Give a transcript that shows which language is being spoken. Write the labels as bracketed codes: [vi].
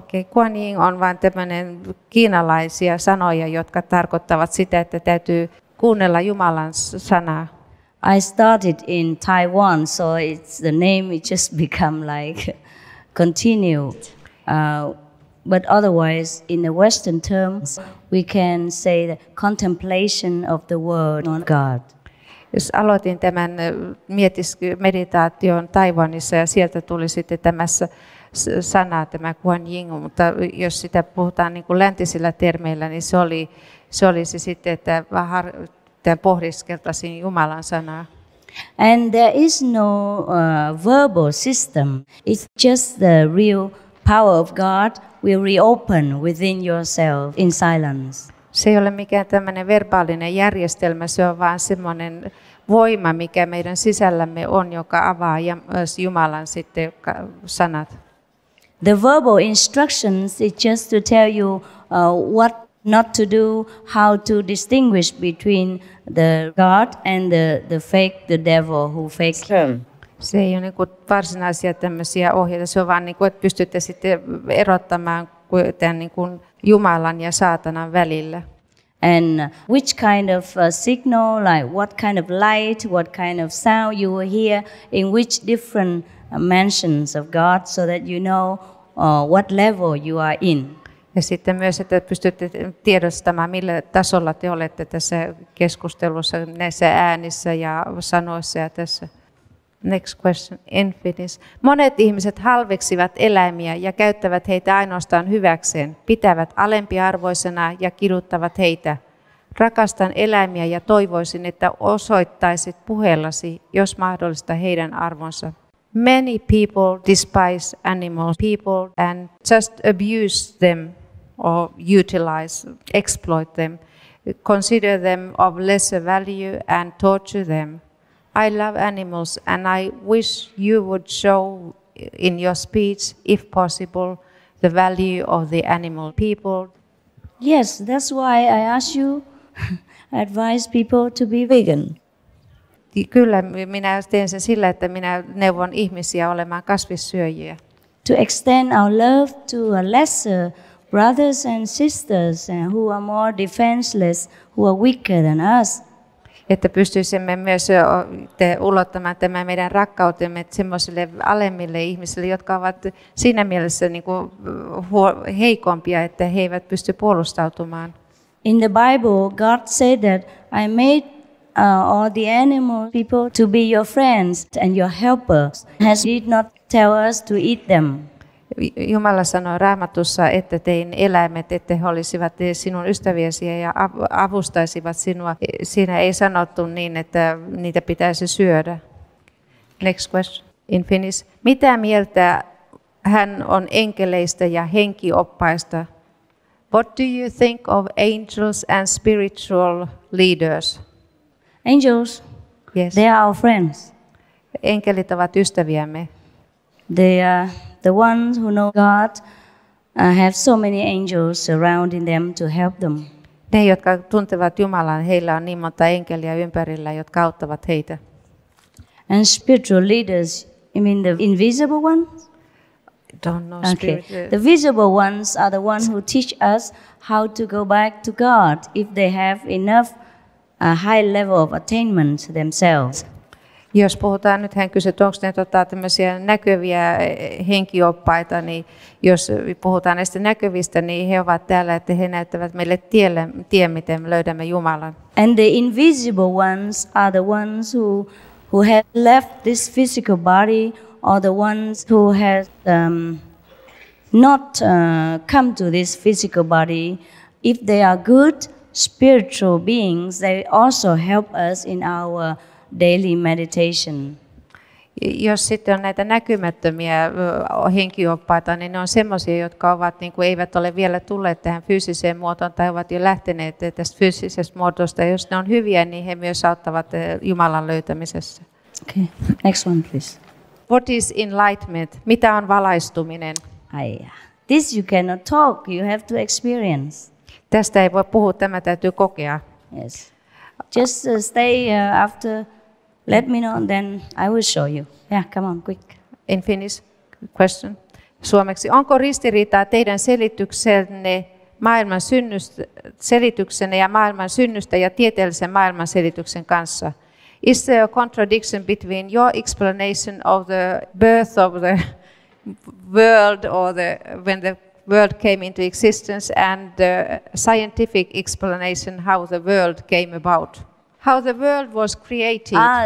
[fi] Kuan Yin on vain tämmöinen kiinalaisia sanoja, jotka tarkoittavat sitä, että täytyy kuunnella Jumalan sanaa. [en] I started in Taiwan, so it's the name it just become like continued. But otherwise, in the Western terms, we can say the contemplation of the word of God. [fi] Jos aloitin tämän meditaation Taiwanissa ja sieltä tuli sitten tämässä sana tämä Kuan Yin, mutta jos sitä puhutaan niin kuin läntisillä termeillä, niin se olisi sitten, että vähän pohdiskeltaisin Jumalan sanaa. [en] And there is no verbal system. It's just the real power of God will reopen within yourself in silence. [fi] Se ei ole mikään tämmöinen verbaalinen järjestelmä, se on vaan semmoinen voima, mikä meidän sisällämme on, joka avaa ja myös Jumalan sitten sanat. [en] The verbal instructions is just to tell you what not to do, how to distinguish between the God and the fake, the devil who fakes him. [fi] Se ei ole niin kuin varsinaisia tämmöisiä ohjeita, se on vaan niin kuin, että pystytte sitten erottamaan tämän niin kuin Jumalan ja saatanan välillä. [en] And which kind of signal, like what kind of light, what kind of sound you will hear, in which different mansions of God, so that you know what level you are in. [fi] Ja sitten myös, että pystytte tiedostamaan, millä tasolla te olette tässä keskustelussa, näissä äänissä ja sanoissa ja tässä. [en] Next question, in Finnish. [fi] Monet ihmiset halveksivat eläimiä ja käyttävät heitä ainoastaan hyväkseen, pitävät alempiarvoisena ja kiduttavat heitä. Rakastan eläimiä ja toivoisin, että osoittaisit puheellasi, jos mahdollista, heidän arvonsa. [en] Many people despise animals, people and just abuse them or utilize, exploit them, consider them of lesser value and torture them. I love animals and I wish you would show in your speech, if possible, the value of the animal people. Yes, that's why I ask you, advise people to be vegan. [fi] Kyllä, minä teen sen sillä, että minä neuvon ihmisiä olemaan kasvissyöjiä. [en] To extend our love to a lesser brothers and sisters and who are more defenseless, who are weaker than us. [fi] Että pystyisimme myös ulottamaan tämä meidän rakkautemme semmoisille alemmille ihmisille, jotka ovat siinä mielessä niin kuin heikompia, että he eivät pysty puolustautumaan. [en] In the Bible, God said that I made all the animal people to be your friends and your helpers. Has He not tell us to eat them? [fi] Jumala sanoi Raamatussa, että tein eläimet, että he olisivat sinun ystäviäsi ja avustaisivat sinua. Siinä ei sanottu niin, että niitä pitäisi syödä. [en] Next question in Finnish. [fi] Mitä mieltä hän on enkeleistä ja henkioppaista? [en] What do you think of angels and spiritual leaders? Angels, yes. They are our friends. [fi] Enkelit ovat ystäviämme. [en] They are the ones who know God have so many angels surrounding them to help them. [fi] Ne, jotka tuntevat Jumalan, heillä on niin monta enkeliä ympärillä, jotka auttavat heitä. [en] And spiritual leaders, you mean the invisible ones? Don't know. Okay. Spirit. The visible ones are the ones who teach us how to go back to God if they have enough a high level of attainment themselves. [fi] Jos puhutaan, nyt hän kysyi, onko ne tämmöisiä näkyviä henkioppaita, niin jos puhutaan näistä näkyvistä, niin he ovat täällä, että he näyttävät meille tien, miten löydämme Jumalan. [en] And the invisible ones are the ones who have left this physical body, or the ones who have not come to this physical body. If they are good spiritual beings, they also help us in our daily meditation. [fi] Jos sitten on näitä näkymättömiä henkioppaita, niin ne on semmoisia, jotka ovat niin kuin eivät ole vielä tulleet tähän fyysiseen muotoon tai ovat jo lähteneet tästä fyysisestä muodosta. Jos ne on hyviä, niin he myös auttavat Jumalan löytämisessä. [en] Okay, next one please. What is enlightenment? [fi] Mitä on valaistuminen? Aiya. [en] This you cannot talk, you have to experience. [fi] Tästä ei voi puhua, tämä täytyy kokea. [en] Yes. Just stay after, let me know, then I will show you. Yeah, come on, quick. In Finnish question. [fi] Suomeksi. Onko ristiriitaa teidän selityksenne ja maailman synnystä ja tieteellisen maailman selityksen kanssa? [en] Is there a contradiction between your explanation of the birth of the world or the when the world came into existence and the scientific explanation how the world came about, how the world was created?